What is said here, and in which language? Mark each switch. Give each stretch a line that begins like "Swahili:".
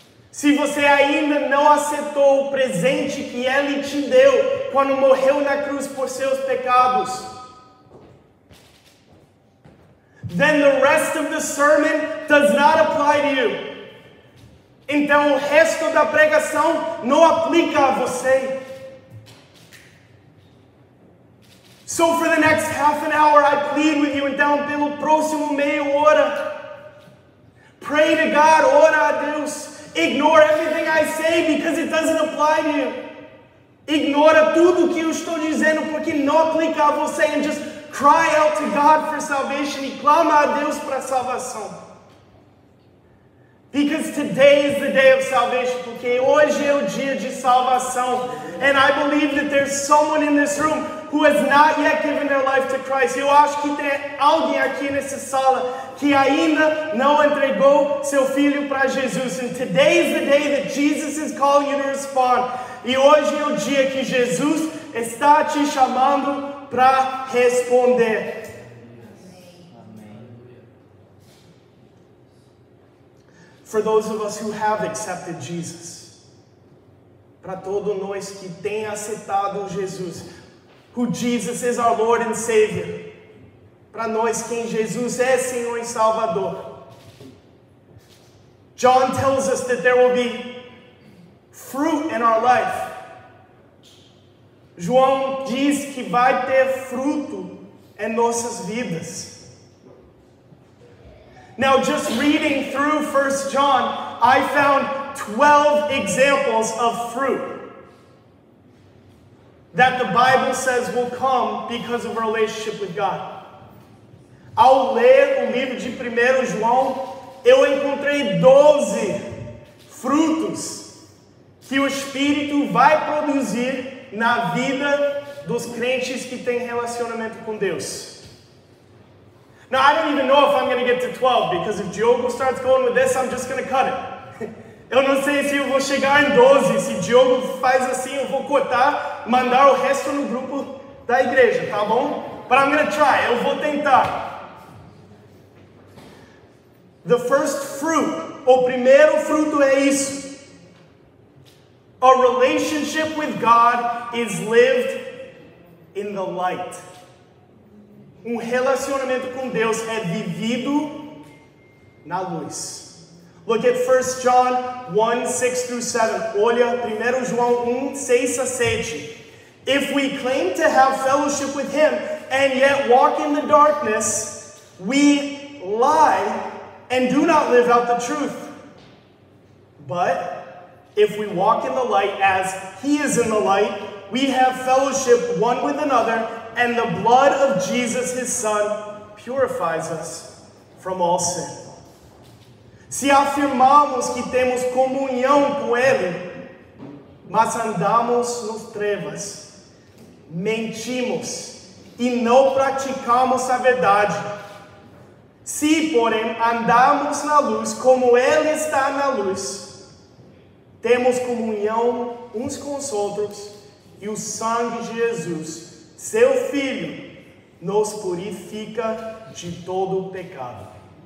Portuguese: se você ainda não aceitou o presente que Ele te deu quando morreu na cruz por seus pecados,
English: then the rest of the sermon does not apply to you.
Portuguese: Então o resto da pregação não aplica a você.
English: So for the next half an hour, I plead with you.
Portuguese: Então pelo próximo meia hora,
English: pray to God,
Portuguese: ora a Deus.
English: Ignore everything I say because it doesn't apply to you.
Portuguese: Ignora tudo que eu estou dizendo porque não aplica a você.
English: And just cry out to God for salvation.
Portuguese: E clama a Deus para salvação.
English: Because today is the day of salvation.
Portuguese: Porque hoje é o dia de salvação.
English: And I believe that there's someone in this room who has not yet given their life to Christ.
Portuguese: Eu acho que tem alguém aqui nessa sala que ainda não entregou seu filho para Jesus.
English: And today is the day that Jesus is calling you to respond.
Portuguese: E hoje é o dia que Jesus está te chamando para responder.
English: For those of us who have accepted Jesus,
Portuguese: para todos nós que tem aceitado Jesus,
English: who Jesus is our Lord and Savior,
Portuguese: para nós quem Jesus é Senhor e Salvador.
English: John tells us that there will be fruit in our life.
Portuguese: João diz que vai ter fruto em nossas vidas.
English: Now, just reading through 1 John, I found 12 examples of fruit that the Bible says will come because of a relationship with God.
Portuguese: Ao ler o livro de 1 João, eu encontrei 12 frutos que o Espírito vai produzir na vida dos crentes que têm relacionamento com Deus.
English: Now, I don't even know if I'm going to get to 12, because if Diogo starts going with this, I'm just going to cut it.
Portuguese: Eu não sei se eu vou chegar em 12. Se Diogo faz assim, eu vou cortar, mandar o resto no grupo da igreja, tá bom?
English: But I'm going to try.
Portuguese: Eu vou tentar.
English: The first fruit,
Portuguese: o primeiro fruto é isso.
English: A relationship with God is lived in the light.
Portuguese: Um relacionamento com Deus é vivido na luz.
English: Look at 1 John 1, 6-7.
Portuguese: Olha, 1 João 1, 6-7.
English: If we claim to have fellowship with Him and yet walk in the darkness, we lie and do not live out the truth. But if we walk in the light as He is in the light, we have fellowship one with another, and the blood of Jesus, His Son, purifies us from all sin.
Portuguese: Se afirmamos que temos comunhão com Ele, mas andamos nas trevas, mentimos e não praticamos a verdade. Se, porém, andamos na luz como Ele está na luz, temos comunhão uns com os outros, e o sangue de Jesus, Seu Filho, nos purifica de todo pecado.